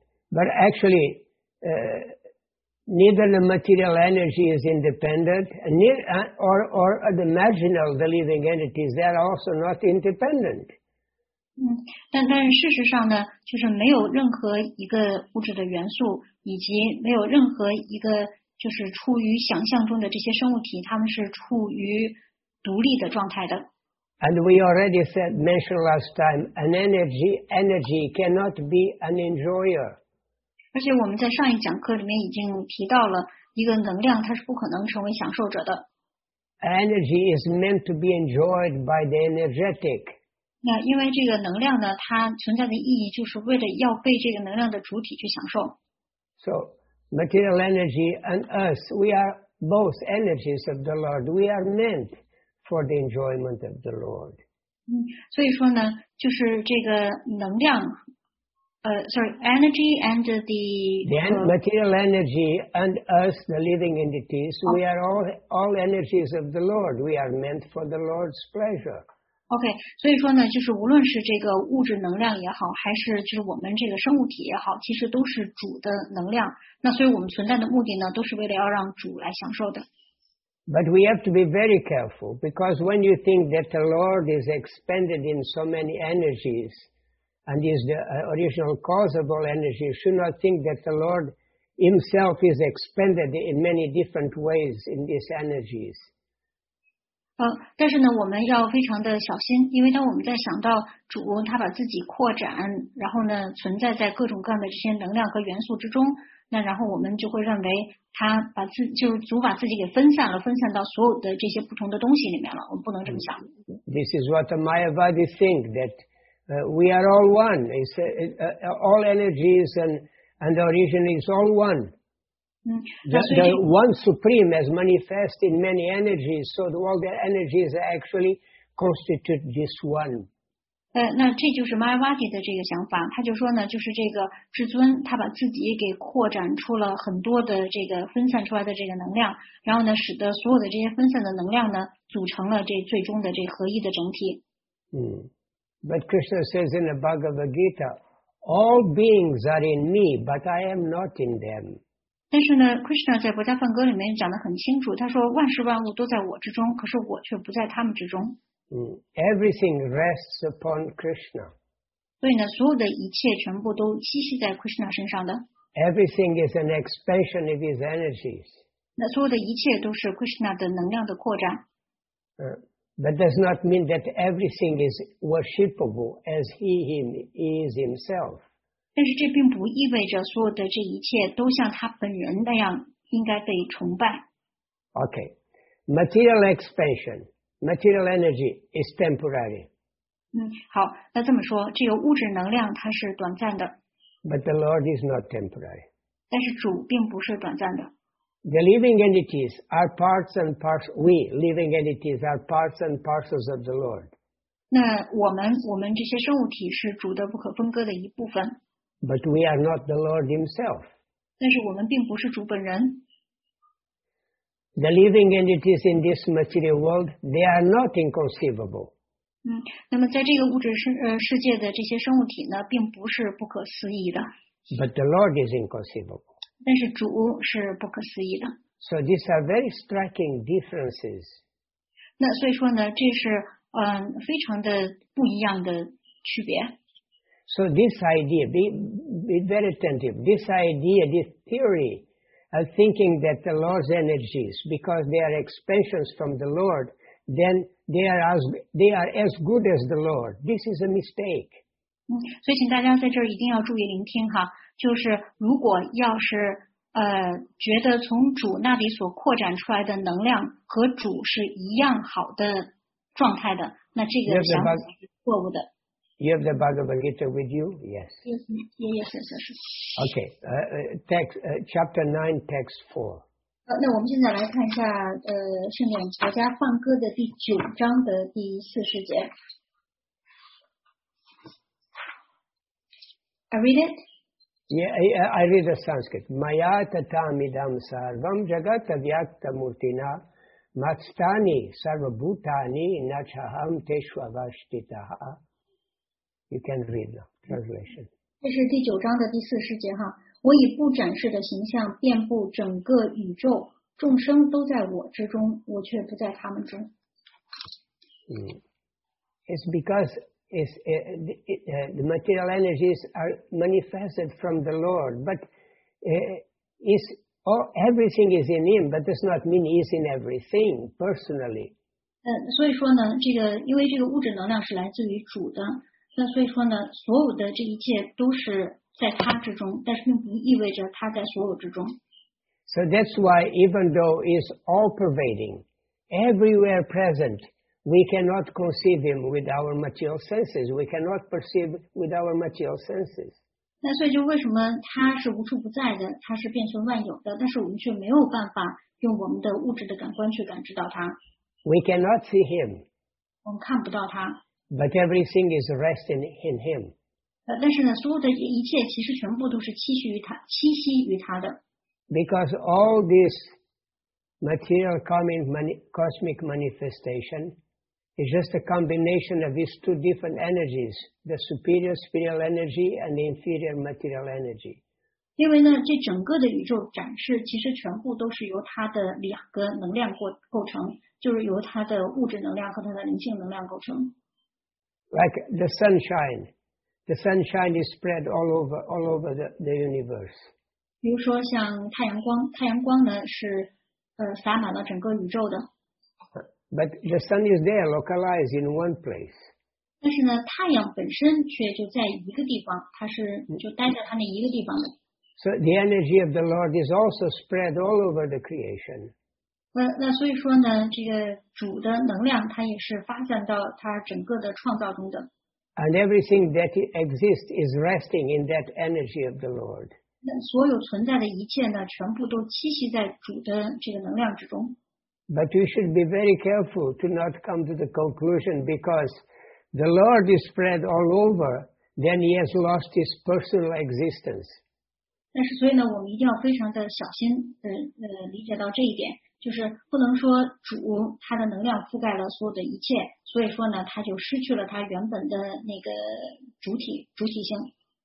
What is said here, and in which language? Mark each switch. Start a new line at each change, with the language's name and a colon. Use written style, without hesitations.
English: But actually, neither the material energy is independent, or the marginal the living entities, they are also not independent.
Chinese: 但事实上呢，就是没有任何一个物质的元素，以及没有任何一个。就是处于想象中的这些生物体，他们是处于独立的状态的。
English: And we already said, mentioned last time, an energy cannot be an enjoyer.
Chinese: 而且我们在上一讲课里面已经提到了，一个能量它是不可能成为享受者的。
English: Energy is meant to be enjoyed by the energetic.
Chinese: 那因为这个能量呢，它存在的意义就是为了要被这个能量的主体去享受。
English: So. Material energy and us, we are both energies of the Lord. We are meant for the enjoyment of the Lord.
Chinese: 所以说呢，就是这个能量，
English: energy and material energy and us, the living entities, we are all energies of the Lord. We are meant for the Lord's pleasure.
Chinese: Okay, 所以说呢，就是无论是这个物质能量也好，还是就是我们这个生物体也好，其实都是主的能量。那所以我们存在的目的呢，都是为了要让主来享受的。
English: But we have to be very careful, because when you think that the Lord is expended in so many energies and is the original cause of all energy, you should not think that the Lord himself is expended in many different ways in these energies.
Chinese: 但是呢，我们要非常的小心，因为当我们在想到主他把自己扩展，然后呢存在在各种各样的这些能量和元素之中，那然后我们就会认为他把自就是主把自己给分散了，分散到所有的这些不同的东西里面了，我们不能这么想。
English: This is what the Mayavadi think, that we are all one. It's all energies and the origin is all one. The one supreme as manifest in many energies, so all the energies actually constitute this one.
Chinese: 那这就是 Mayavadi 的这个想法，他就说呢，就是这个至尊他把自己给扩展出了很多的这个分散出来的这个能量，然后呢使得所有的这些分散的能量呢组成了这最终的这合一的整体。
English: But Krishna says in the Bhagavad Gita, all beings are in me, but I am not in them.
Chinese: 但是呢 ，Krishna 在《薄伽梵歌》里面讲得很清楚，他说万事万物都在我之中，可是我却不在他们之中。
English: Everything rests upon Krishna.
Chinese: 所以呢，所有的一切全部都栖息在 Krishna 身上的。
English: Everything is an expansion of his energies.
Chinese: 那所有的一切都是 Krishna 的能量的扩展。
English: That does not mean that everything is worshipable as he is himself.
Chinese: 但是这并不意味着所有的这一切都像他本人那样应该被崇拜。
English: Okay, material expansion, material energy is temporary.
Chinese: 好，那这么说，这个物质能量它是短暂的。
English: But the Lord is not temporary.
Chinese: 但是主并不是短暂的。
English: The living entities are parts and parcels. We living entities are parts and parcels of the Lord.
Chinese: 那我们这些生物体是主的不可分割的一部分。
English: But we are not the Lord Himself.
Chinese: 但是我们并不是主本人。
English: The living entities in this material world, they are not inconceivable.
Chinese: 那么在这个物质世界的这些生物体呢，并不是不可思议的。
English: But the Lord is inconceivable.
Chinese: 但是主是不可思议的。
English: So these are very striking differences.
Chinese: 那所以说呢，这是非常的不一样的区别。
English: So this idea, be very attentive. This idea, this theory of thinking that the Lord's energies, because they are expansions from the Lord, then they are as good as the Lord. This is a mistake.
Chinese: 所以请大家在这儿一定要注意聆听哈。就是如果要是觉得从主那里所扩展出来的能量和主是一样好的状态的，那这个想法是错误的。
English: You have the Bhagavad Gita with you? Yes. Yes, yes, yes, yes. Okay, chapter 9, text 4.
Chinese: 那我们现在来看一下圣典乔家梵歌的第九章的第四十节。
English: I read it? Yeah, I read the Sanskrit.
Sanskrit: Maya tatam idam sarvam jagat avyakta murtina matstani sarvabhutani nachaham teshvavashtitaha.
English: You can read the translation.
Chinese: 这是第九章的第四十节哈。我以不展示的形象遍布整个宇宙，众生都在我之中，我却不在他们中。
English: It's because. The material energies are manifested from the Lord, but everything is in Him, but does not mean He's in everything personally.
Chinese: 所以说呢，这个因为这个物质能量是来自于主的，那所以说呢，所有的这一切都是在他之中，但是并不意味着他在所有之中。
English: So that's why, even though He's all pervading, everywhere present. We cannot conceive him with our material senses. We cannot perceive with our material senses.
Chinese: 那所以就为什么他是无处不在的，他是遍存万有的，但是我们却没有办法用我们的物质的感官去感知到他。
English: We cannot see him.
Chinese: 我们看不到他。
English: But everything is resting in him.
Chinese: 但是呢，所有的一切其实全部都是栖息于他，栖息于他的。
English: Because all this material coming cosmic manifestation. It's just a combination of these two different energies, the superior spiritual energy and the inferior material energy.
Chinese: 因为呢，这整个的宇宙展示其实全部都是由它的两个能量构成，就是由它的物质能量和它的灵性能量构成。
English: Like the sunshine is spread all over the universe.
Chinese: 比如说像太阳光呢是洒满了整个宇宙的。
English: But the sun is there, localized in one place.
Chinese: 但是呢，太阳本身却就在一个地方，它是就待在它那一个地方的。
English: So the energy of the Lord is also spread all over the creation.
Chinese: 那所以说呢，这个主的能量它也是发散到它整个的创造中的。
English: And everything that exists is resting in that energy of the Lord.
Chinese: 那所有存在的一切呢，全部都栖息在主的这个能量之中。
English: But you should be very careful to not come to the conclusion because the Lord is spread all over, then he has lost his personal existence.
Chinese: 但是所以呢，我们一定要非常的小心，理解到这一点，就是不能说主他的能量覆盖了所有的一切，所以说呢，他就失去了他原本的那个主体性。